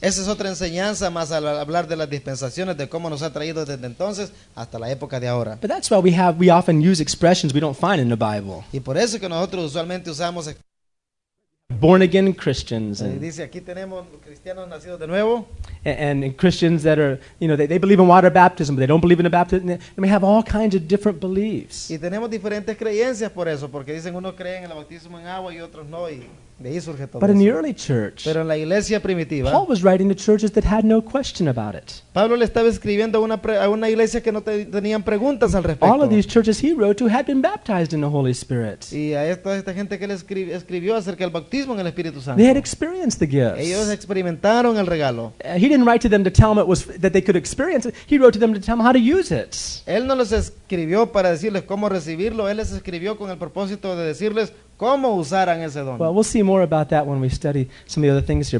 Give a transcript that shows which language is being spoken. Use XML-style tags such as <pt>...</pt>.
<es>Esa es otra enseñanza más al hablar de las dispensaciones, de cómo nos ha traído desde entonces hasta la época de ahora.</es> <en>But that's why we often use expressions we don't find in the Bible.</en> <es>Y por eso que nosotros usualmente usamos</es> <en>born again Christians, and</en> <es>dice, aquí tenemos cristianos nacidos de nuevo.</es> <en>And Christians that are, you know, they believe in water baptism, but they don't believe in a baptism. They may have all kinds of different beliefs.</en> <es>Y tenemos diferentes creencias por eso, porque dicen unos creen en el bautismo en agua y otros no, y de ahí surge todo.</es> <en>But</en> <es>eso.</es> <en>In the early church,</en> <es>pero en la iglesia primitiva,</es> <en>Paul was writing to churches that had no question about it.</en> <es>Pablo le estaba escribiendo a una iglesia que no tenían preguntas al respecto.</es> <en>All of these churches he wrote to had been baptized in the Holy Spirit.</en> <es>Y a esta gente que le escribió acerca del bautismo en el Espíritu Santo.</es> <en>They had experienced the gifts.</en> <es>Ellos experimentaron el regalo.</es> <en>He didn't write to them to tell them it was that they could experience it. He wrote to them to tell them how to use it.</en> <es>Él no les escribió para decirles cómo recibirlo. Él les escribió con el propósito de decirles cómo usaran ese don.</es> <en>Well, we'll see more about that when we study some of the other things here.</en>